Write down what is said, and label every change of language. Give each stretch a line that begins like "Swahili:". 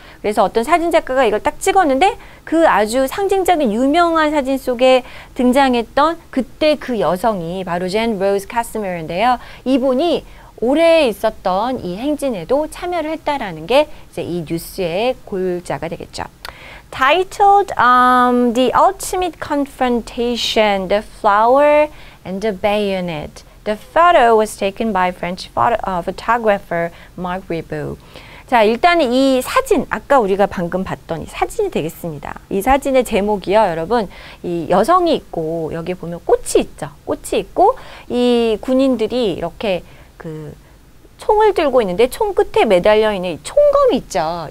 Korean: 그래서 어떤 사진작가가 이걸 딱 찍었는데 그 아주 상징적인 유명한 사진 속에 등장했던 그때 그 여성이 바로 젠 로즈 카스미어인데요. 이분이 올해 있었던 이 행진에도 참여를 했다라는 게 이제 이 뉴스의 골자가 되겠죠.
English: Titled The Ultimate Confrontation, The Flower and the Bayonet. The photo was taken by French photographer Marc Ribot.
Korean: 자, 일단 이 사진, 아까 우리가 방금 봤던 이 사진이 되겠습니다. 이 사진의 제목이요, 여러분. 이 여성이 있고, 여기 보면 꽃이 있죠. 꽃이 있고, 이 군인들이 이렇게 그 총을 들고 있는데, 총 끝에 매달려 있는 이 총검이 있죠.